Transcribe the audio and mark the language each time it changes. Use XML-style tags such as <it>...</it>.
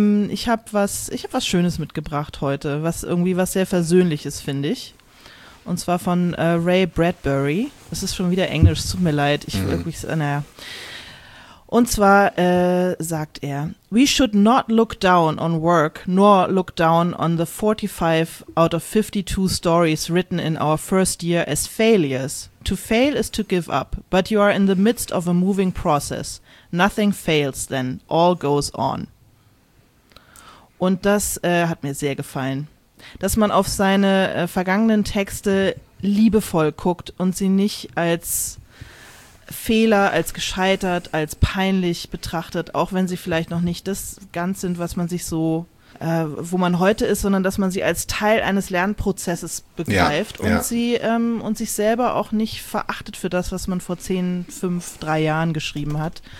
<de>Ich habe was Schönes mitgebracht heute, was sehr Versöhnliches, finde ich. Und zwar von Ray Bradbury. Es ist schon wieder Englisch, tut mir leid. Und zwar sagt er:</de> <en>We should not look down on work, nor look down on the 45 out of 52 stories written in our first year as failures. To fail is to give up, but you are in the midst of a moving process. Nothing fails then, all goes on.</en> <de>Und das hat mir sehr gefallen, dass man auf seine vergangenen Texte liebevoll guckt und sie nicht als Fehler, als gescheitert, als peinlich betrachtet, auch wenn sie vielleicht noch nicht das ganz sind, was man sich so, wo man heute ist, sondern dass man sie als Teil eines Lernprozesses begreift und sich selber auch nicht verachtet für das, was man vor 10, 5, 3 Jahren geschrieben hat.</de>